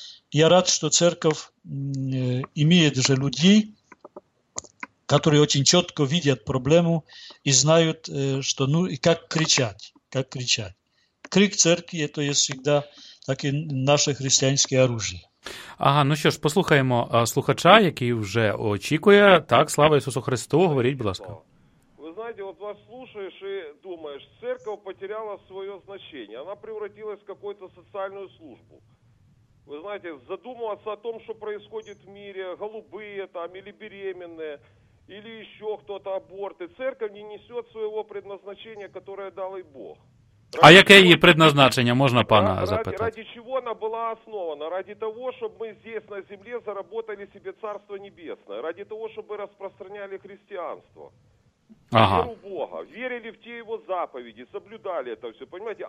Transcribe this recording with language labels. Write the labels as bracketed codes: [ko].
[ru] Я рад, что церковь имеет же людей, которые очень четко видят проблему и знают, что, ну, и как кричать, как кричать. Крик церкви – это есть всегда таки наше христианское оружие. [uk] Ага, ну що ж, послухаємо слухача, який вже очікує. Так, слава Ісусу Христу, говоріть, будь ласка. Ви знаєте, от вас слухаєш і думаєш, церква потеряла своє значення, вона превратилась в якусь соціальну службу. Ви знаєте, задумуватися [ru] о том, що происходит в мире, голуби там, или беременные, или еще кто-то аборты, церковь не несет своего предназначения, которое дал ей Бог. [uk] А яке її предназначення, можна пана запитати? Ради чого вона була основана? Ради того, щоб ми здесь на землі заработали себе царство небесне. Ради того, щоб ми розпространяли християнство. Ага. Віру в Бога, вірили в ті його заповіді, соблюдали це все, понимаете?